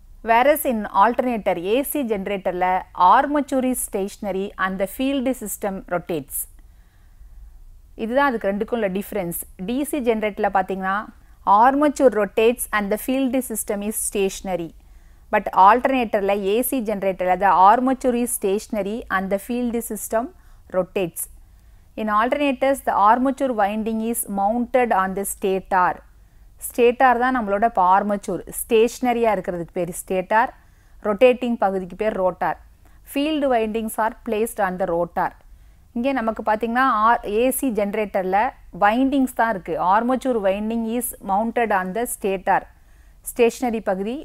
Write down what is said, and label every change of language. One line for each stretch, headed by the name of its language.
English: Whereas in alternator AC ஜென்ரேட்டரில் armature is stationary and the field system rotates.
Tamil: இதுதான் அதுக்கு ரெண்டுக்கும் உள்ள டிஃப்ரென்ஸ். டிசி ஜென்ரேட்டரில் பார்த்தீங்கன்னா
English: Armature rotates and the field system is stationary. But ஆல்டர்னேட்டரில் AC ஜென்ரேட்டரில் the armature is stationary and the field system rotates. In alternators, the armature winding is mounted on the stator.
Tamil: Stator தான் நம்மளோட இப்போ armature. ஸ்டேஷ்னரியாக இருக்கிறதுக்கு பேர் stator. Rotating பகுதிக்கு பேர் rotor.
English: Field windings are placed on the rotor.
Tamil: இங்கே நமக்கு பார்த்திங்கன்னா ஏசி ஜென்ரேட்டரில் வைண்டிங்ஸ் தான் இருக்குது.
English: Armature winding is mounted on the stator stationary பகுதி.